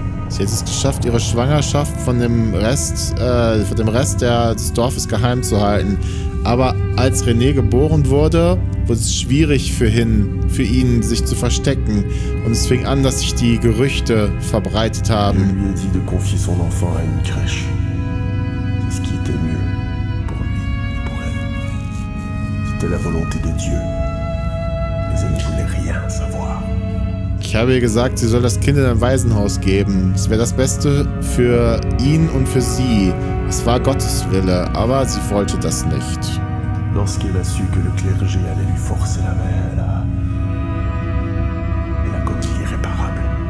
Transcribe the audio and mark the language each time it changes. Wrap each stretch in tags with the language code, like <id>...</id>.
<de>Sie hat es geschafft, ihre Schwangerschaft von dem Rest des Dorfes geheim zu halten. Aber als René geboren wurde, wurde es schwierig für ihn, sich zu verstecken. Und es fing an, dass sich die Gerüchte verbreitet haben. Er hat gesagt, seinen Enfant in eine Crèche zu geben.</de> <fr>c'était mieux pour lui et pour elle. C'était la volonté de Dieu. Mais elle ne voulait rien savoir.</fr> <de>Ich habe ihr gesagt, sie soll das Kind in ein Waisenhaus geben. Es wäre das Beste für ihn und für sie. Es war Gottes Wille, aber sie wollte das nicht.</de> <fr>Lorsqu'elle a su que le clergé allait lui forcer la main, elle a commis l'irréparable.</fr>